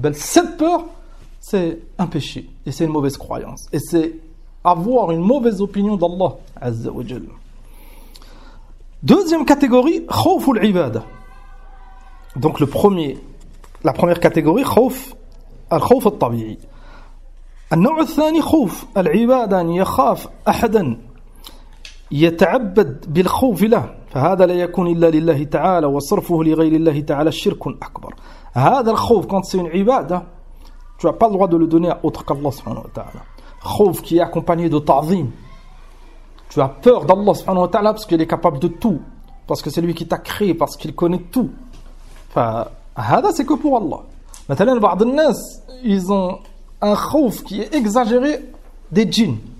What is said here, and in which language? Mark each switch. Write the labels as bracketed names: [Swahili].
[French] Belle, cette peur, c'est un péché. Et c'est une mauvaise croyance. Et c'est avoir une mauvaise opinion d'Allah. Azza wa Jalla. Deuxième catégorie, khawf al-ibad. Donc le premier, la première catégorie, khawf al-khawf al-tabi'i. [Arabic] النوع الثاني خوف العباد أن يخاف أحدا يتعبد بالخوف له فهذا لا يكون إلا لله تعالى وصرفه لغير الله تعالى شرك أكبر. هذا الخوف [French] quand c'est une ibada, tu n'as pas le droit de le donner à autre qu'Allah subhanahu wa ta'ala. Khouf qui est accompagné de ta'zim. Tu as peur d'Allah subhanahu wa ta'ala parce qu'il est capable de tout, parce que c'est lui qui t'a créé, parce qu'il connaît tout. فهذا c'est que pour Allah. [Arabic] مثلاً بعض الناس [French] ils ont un khouf qui est exagéré des djinns.